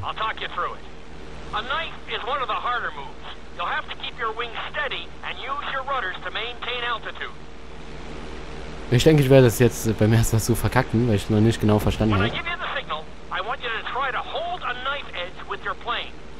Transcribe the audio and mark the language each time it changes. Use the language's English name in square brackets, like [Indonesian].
[English] A knife is one of the harder moves. You'll have to keep your wings steady and use your rudders to maintain altitude. [German] Ich denke, ich werde das jetzt beim ersten Mal so verkacken, weil ich noch nicht genau verstanden habe. [English] I want you to try to hold a knife edge with your plane.